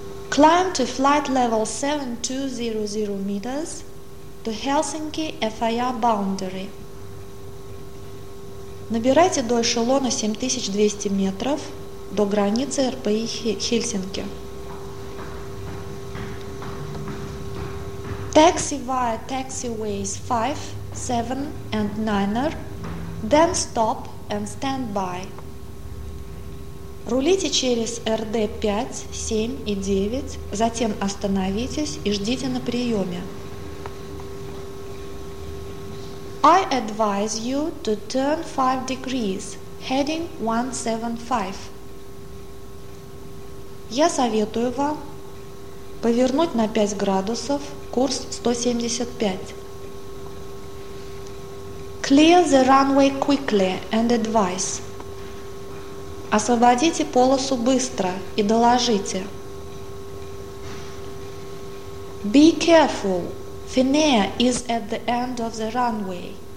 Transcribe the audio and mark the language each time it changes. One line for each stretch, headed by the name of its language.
English: Climb to flight level 7200 meters to Helsinki FIA boundary.
Russian: Набирайте до эшелона 7200 метров до границы РПИ Хельсинки.
English: Taxi via taxiways 5, 7 and 9, then stop and stand by.
Russian: Рулите через РД 5, 7 и 9, затем остановитесь и ждите на приеме.
English: I advise you to turn 5 degrees, heading 175.
Russian: Я советую вам повернуть на 5 градусов, курс 175.
English: Clear the runway quickly and advise.
Russian: Освободите полосу быстро и доложите.
English: Be careful. Finnair is at the end of the runway.